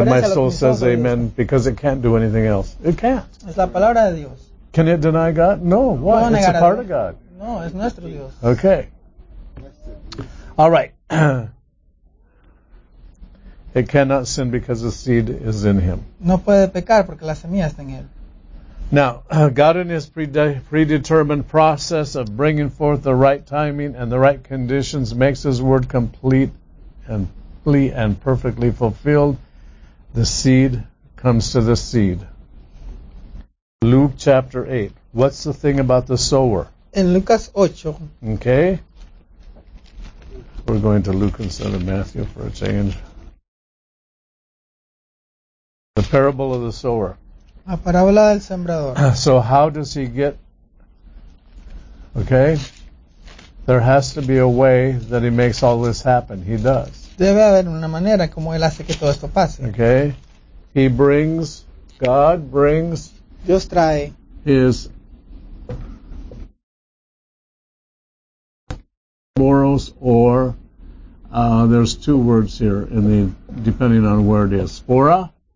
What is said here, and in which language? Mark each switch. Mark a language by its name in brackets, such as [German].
[English] and my soul says amen because it can't do anything else. It can't. [Spanish] Es la palabra de Dios. [English] Can it deny God? No. Why? No, it's a part of God. [Spanish] No, es nuestro Dios. [English] Okay. All right. It cannot sin because the seed is in him. [Spanish] No puede pecar porque la semilla está en él. [English] Now, God in his predetermined process of bringing forth the right timing and the right conditions makes his word complete and perfectly fulfilled. The seed comes to the seed. Luke chapter 8. What's the thing about the sower? In Lucas 8. Okay. We're going to Luke instead of Matthew for a change. The parable of the sower. [Spanish] La parábola del sembrador. [English] So how does he get, okay, there has to be a way that he makes all this happen. He does. [Spanish] Debe haber una manera como él hace que todo esto pase. [English] Okay, he brings, God brings, [Spanish] Dios trae, [English] his morals or, there's two words here, in the depending on where it is, spora.